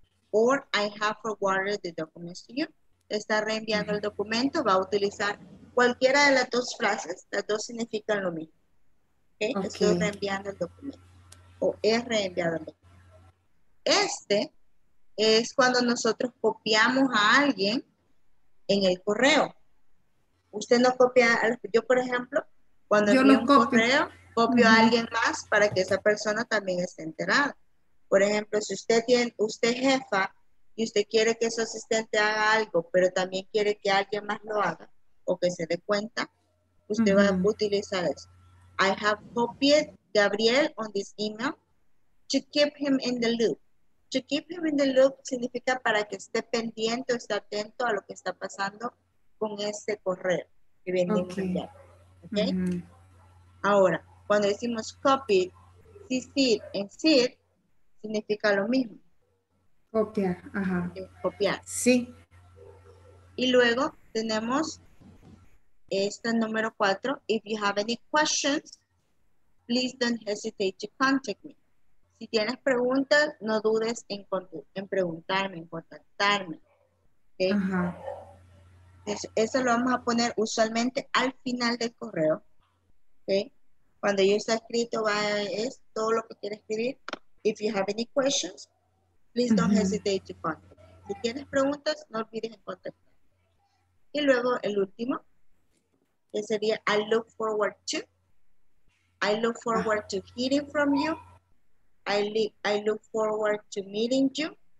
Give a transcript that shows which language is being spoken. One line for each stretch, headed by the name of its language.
English: Or I have forwarded the documents to you.
Spanish: Está reenviando el documento. Va a utilizar cualquiera de las dos frases. Las dos significan lo mismo. Okay? Okay. Estoy reenviando el documento. O he reenviado el documento. Este es cuando nosotros copiamos a alguien en el correo. Usted no copia. Yo, por ejemplo, cuando envío un correo, copio a alguien más para que esa persona también esté enterada. Por ejemplo, si usted es jefa y usted quiere que su asistente haga algo, pero también quiere que alguien más lo haga o que se dé cuenta, usted va a utilizar eso.
English: I have copied Gabriel on this email to keep him in the loop. To keep him in the loop
Spanish: significa para que esté pendiente o esté atento a lo que está pasando con ese correo que viene de enviar. ¿Okay? Ahora, cuando decimos copied, CC'd and CC'd, significa lo mismo. Copiar, ajá. Copiar. Sí. Y luego tenemos este número 4.
English: If you have any questions, please don't hesitate to contact me.
Spanish: Si tienes preguntas, no dudes en preguntarme, en contactarme. ¿Okay? Ajá. Eso lo vamos a poner usualmente al final del correo. ¿Okay? Cuando yo está escrito, es todo lo que quiere escribir.
English: If you have any questions, please don't hesitate to contact.
Spanish: Si tienes preguntas, no olvides en contactar. Y luego el último, que sería
English: I look forward to. I look forward to hearing from you. I look forward to meeting you.